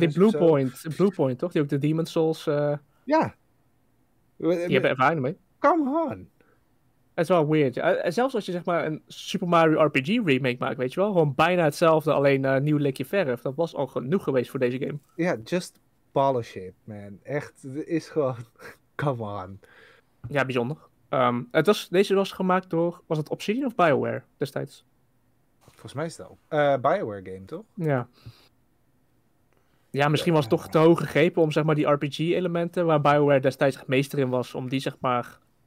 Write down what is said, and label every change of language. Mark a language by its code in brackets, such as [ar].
[nl] Ja, die Bluepoint, toch? Die ook de Demon's Souls. Ja. Die hebben ervaring mee. [en] Come on. [nl] Het is wel weird. Zelfs als je zeg maar een Super Mario RPG remake maakt, weet je wel. Gewoon bijna hetzelfde, alleen een nieuw likje verf. Dat was al genoeg geweest voor deze game. [en] Ja, yeah, just polish it, man. [nl] Echt, het is gewoon, come on. Ja, bijzonder. Deze was gemaakt door, was het Obsidian of BioWare destijds? Volgens mij is dat BioWare game, toch? Ja. Ja, misschien was het toch te hoog gegrepen om zeg maar die RPG elementen, waar BioWare destijds meester in was, om die zeg maar